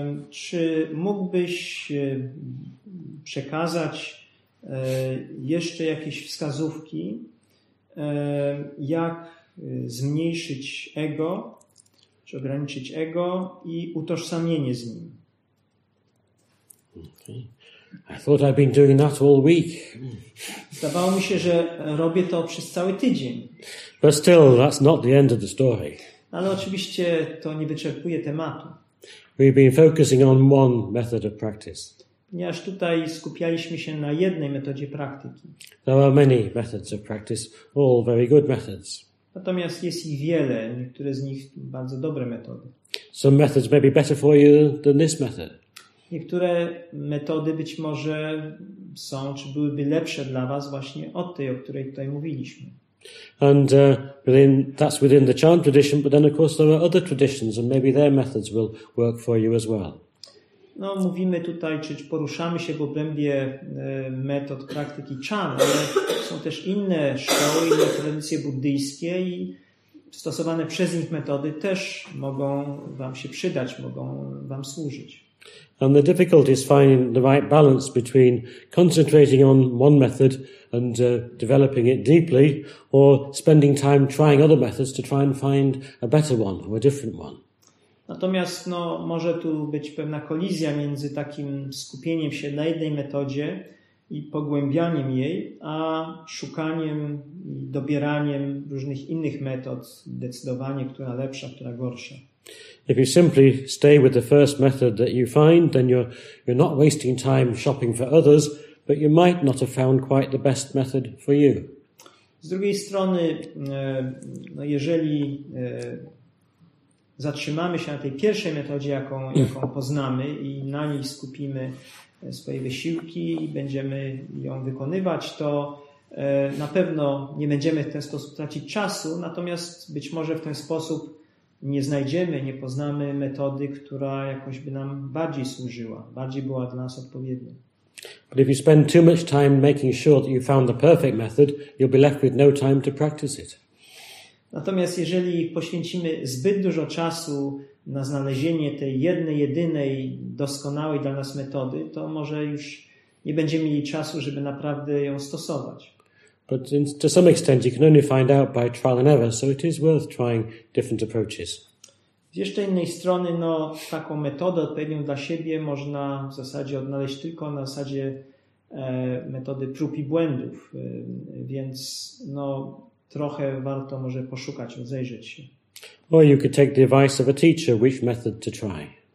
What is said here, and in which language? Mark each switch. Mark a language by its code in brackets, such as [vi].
[pl] Czy mógłbyś przekazać jeszcze jakieś wskazówki, jak zmniejszyć ego, czy ograniczyć ego i utożsamienie z nim? [en] Okay. I thought I'd been doing that all week. [pl] Zdawało mi się, że robię to przez cały tydzień. [en] But still, that's not the end of the story. [pl] Ale oczywiście to nie wyczerpuje tematu. [en] We've been focusing on one method of practice. [pl] Ponieważ tutaj skupialiśmy się na jednej metodzie praktyki. [en] There are many methods of practice, all very good methods. [pl] Natomiast jest ich wiele, niektóre z nich bardzo dobre metody. [en] Some methods may be better for you than this method. [pl] Niektóre metody być może są, czy byłyby lepsze dla was właśnie od tej, o której tutaj mówiliśmy. [en] And within, that's within the Chan tradition, but then of course there are other traditions and maybe their methods will work for you as well. [pl] No, mówimy tutaj, czy poruszamy się w obrębie metod praktyki Chan, ale są też inne szkoły, inne tradycje buddyjskie i stosowane przez nich metody też mogą wam się przydać, mogą wam służyć. [en] And the difficulty is finding the right balance between concentrating on one method and developing it deeply, or spending time trying other methods to try and find a better one or a different one. [pl] Natomiast może tu być pewna kolizja między takim skupieniem się na jednej metodzie i pogłębianiem jej, a szukaniem i dobieraniem różnych innych metod, decydowanie, która lepsza, która gorsza. [en] If you simply stay with the first method that you find, then you're not wasting time shopping for others, but you might not have found quite the best method for you. [pl] Z drugiej strony, jeżeli zatrzymamy się na tej pierwszej metodzie, jaką poznamy i na niej skupimy swoje wysiłki i będziemy ją wykonywać, to na pewno nie będziemy w ten sposób tracić czasu, natomiast być może w ten sposób nie poznamy metody, która jakoś by nam bardziej służyła, bardziej była dla nas odpowiednia. [en] But if you spend too much time making sure that you found the perfect method, you'll be left with no time to practice it. [pl] Natomiast jeżeli poświęcimy zbyt dużo czasu na znalezienie tej jednej, jedynej, doskonałej dla nas metody, to może już nie będziemy mieli czasu, żeby naprawdę ją stosować. [en] But to some extent you can only find out by trial and error, so it is worth trying different approaches. [pl] Z jeszcze innej strony, taką metodę odpowiednią dla siebie można w zasadzie odnaleźć tylko na zasadzie metody prób i błędów. Więc trochę warto może poszukać, rozejrzeć się. [en] Or you could take the advice of a teacher, which method to try.